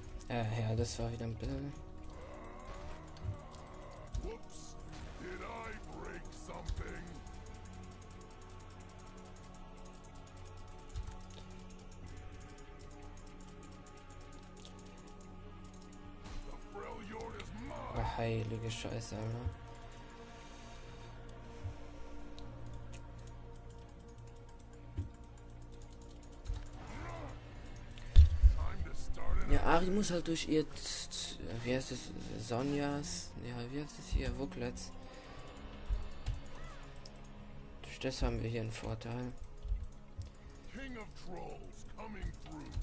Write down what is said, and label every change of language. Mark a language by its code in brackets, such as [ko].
[de] Ja, das war wieder ein bisschen. [en] Whoops, did I break something? [de] Ach, Heilige Scheiße, Alter. Ja, Ari muss halt durch ihr, wie heißt es, Sonjas, ja, wie heißt es hier, Wucklets. Durch das haben wir hier einen Vorteil. [en] King of Trolls coming through.